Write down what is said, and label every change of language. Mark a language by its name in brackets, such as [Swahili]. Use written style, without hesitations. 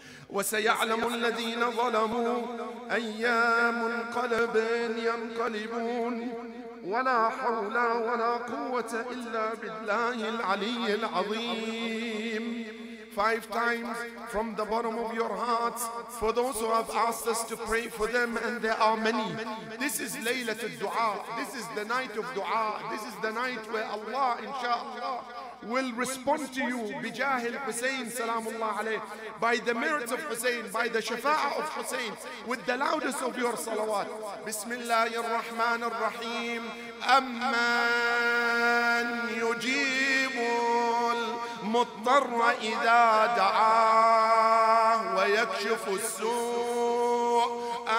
[Arabic] وسيعلم الذين ظلموا أيام قلب ينقلبون ولا حول ولا قوة إلا بالله العلي العظيم. [English] Five times from the bottom of your hearts for those who have asked us to pray for them, and there are many. This is Laylatul Dua. This is the night of Dua. This is the night where Allah, inshaAllah, will respond to you. [Arabic] Bijahil Hussein salamullah alayh, [English] by the merits of Hussein, by the shafa'ah of Hussein, with the loudest of your salawat. [Arabic] Bismillahir Rahmanir Rahim. Amman yujibul مضطر إذا دعاه ويكشف السوء